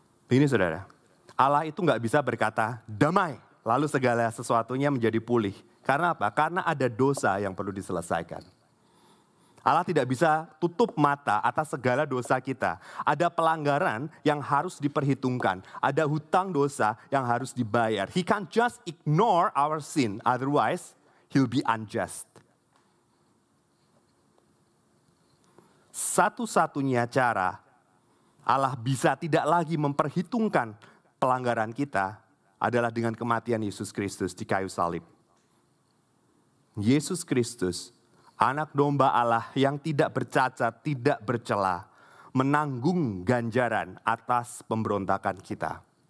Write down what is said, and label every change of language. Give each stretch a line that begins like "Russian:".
Indonesian: Ini saudara, Allah itu gak bisa berkata damai lalu segala sesuatunya menjadi pulih. Karena apa? Karena ada dosa yang perlu diselesaikan. Allah tidak bisa tutup mata atas segala dosa kita. Ada pelanggaran yang harus diperhitungkan. Ada hutang dosa yang harus dibayar.
English: He can't just ignore our sin, otherwise he'll be unjust.
Indonesian: Satu-satunya cara Allah bisa tidak lagi memperhitungkan pelanggaran kita adalah dengan kematian Yesus Kristus di kayu salib. Yesus Kristus, Anak Domba Allah yang tidak bercacat, tidak bercela, menanggung ganjaran atas pemberontakan kita.